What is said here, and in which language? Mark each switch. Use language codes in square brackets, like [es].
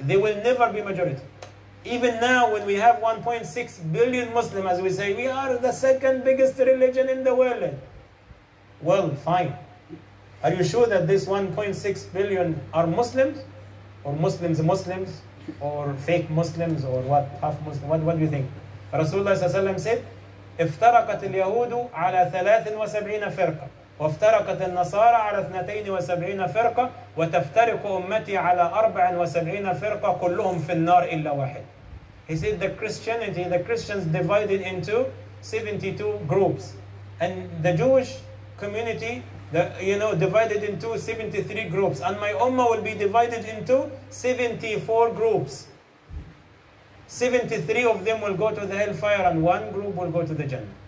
[en] They will never be majority. Even now, when we have 1.6 billion Muslims, as we say, we are the second biggest religion in the world. Well, fine. Are you sure that this 1.6 billion are Muslims? Or Muslims, Muslims? Or fake Muslims, or what, half Muslim? What do you think? [ar] Rasulullah said, افترقت اليهود على 73 فرقة وافترقت النصارى على 72 فرقة وتفترق أمتي على 74 فرقة كلهم في النار إلا واحد. [en] He said, the Christians divided into 72 groups, and the Jewish community, divided into 73 groups, and my ummah will be divided into 74 groups. 73 of them will go to the hellfire, and one group will go to the Jannah.